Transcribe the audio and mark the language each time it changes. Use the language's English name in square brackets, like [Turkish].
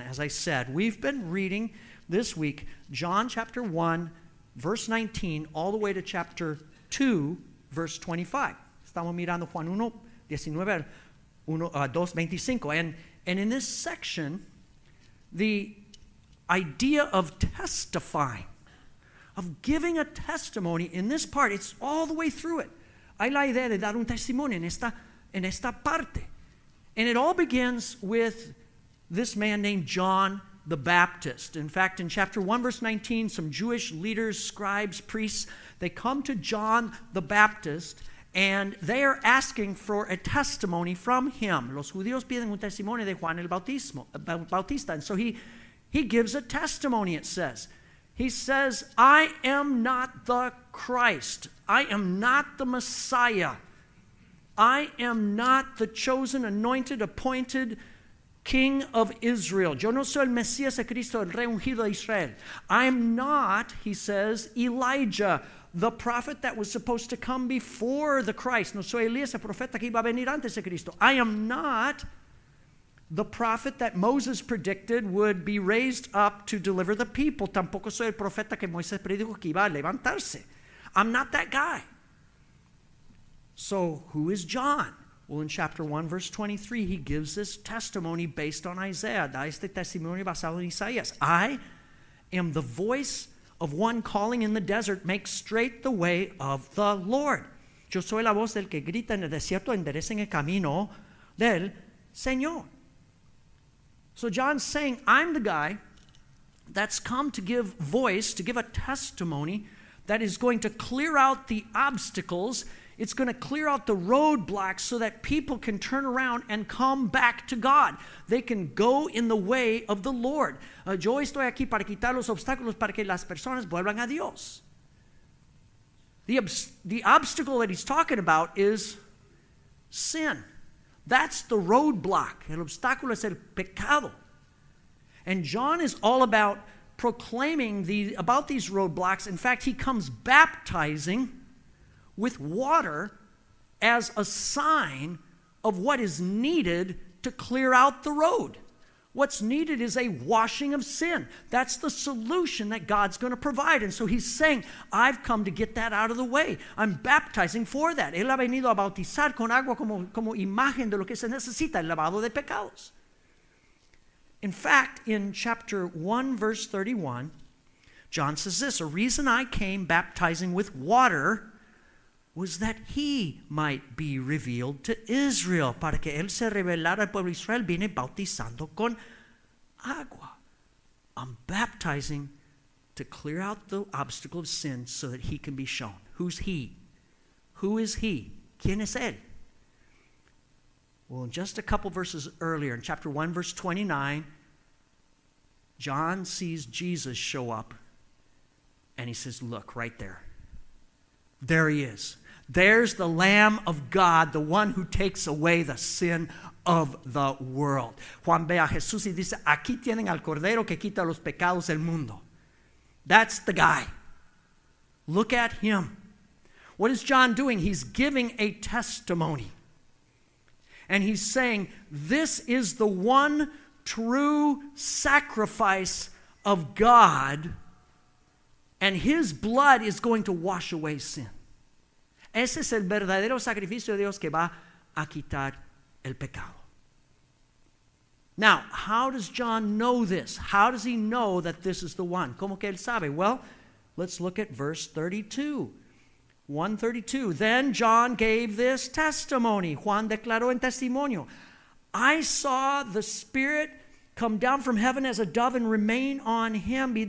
[English] As I said, we've been reading this week John chapter 1, verse 19, all the way to chapter 2, verse 25. [Spanish] Estamos mirando Juan 1, 19, 2, 25. [English] And in this section, the idea of testifying, of giving a testimony in this part, it's all the way through it. [Spanish] Hay la idea de dar un testimonio en esta parte. [English] And it all begins with this man named John the Baptist. In fact, in chapter 1, verse 19, some Jewish leaders, scribes, priests, they come to John the Baptist, and they are asking for a testimony from him. [Spanish] Los judíos piden un testimonio de Juan el Bautista. [English] And so he gives a testimony, it says. He says, I am not the Christ. I am not the Messiah. I am not the chosen, anointed, appointed King of Israel. [Spanish] Yo no soy el Mesías de Cristo, el rey ungido de Israel. [English] I am not, he says, Elijah, the prophet that was supposed to come before the Christ. [Spanish] No soy Elías, el profeta que iba a venir antes de Cristo. [English] I am not the prophet that Moses predicted would be raised up to deliver the people. [Spanish] Tampoco soy el profeta que Moisés predijo que iba a levantarse. [English] I'm not that guy. So who is John? Well, in chapter 1, verse 23, he gives this testimony based on Isaiah. [Spanish] Da este testimonio basado en Isaías. [English] I am the voice of one calling in the desert, make straight the way of the Lord. [Spanish] Yo soy la voz del que grita en el desierto, enderecen el camino del Señor. [English] So John's saying, I'm the guy that's come to give voice, to give a testimony that is going to clear out the obstacles. It's going to clear out the roadblocks so that people can turn around and come back to God. They can go in the way of the Lord. [Spanish] Yo estoy aquí para quitar los obstáculos para que las personas vuelvan a Dios. [English] The obstacle that he's talking about is sin. That's the roadblock. [Spanish] El obstáculo es el pecado. [English] And John is all about proclaiming about these roadblocks. In fact, he comes baptizing with water as a sign of what is needed to clear out the road. What's needed is a washing of sin. That's the solution that God's going to provide. And so he's saying, I've come to get that out of the way. I'm baptizing for that. [Spanish] Él ha venido a bautizar con agua como imagen de lo que se necesita, el lavado de pecados. [English] In fact, in chapter 1, verse 31, John says this, a reason I came baptizing with water was that he might be revealed to Israel. [Spanish] Para que él se revelara al pueblo Israel, viene bautizando con agua. [English] I'm baptizing to clear out the obstacle of sin so that he can be shown. Who's he? Who is he? [Spanish] ¿Quién es él? [English] Well, in just a couple verses earlier, in chapter 1, verse 29, John sees Jesus show up and he says, look, right there. There he is. There's the Lamb of God, the one who takes away the sin of the world. [Spanish] Juan ve a Jesús y dice, aquí tienen al Cordero que quita los pecados del mundo. [English] That's the guy. Look at him. What is John doing? He's giving a testimony. And he's saying, this is the one true sacrifice of God, and his blood is going to wash away sin. [Spanish] Ese es el verdadero sacrificio de Dios que va a quitar el pecado. [English] Now, how does John know this? How does he know that this is the one? [Spanish] ¿Cómo que él sabe? [English] Well, let's look at verse 32. 132. Then John gave this testimony. [Spanish] Juan declaró en testimonio. [English] I saw the Spirit come down from heaven as a dove and remain on him.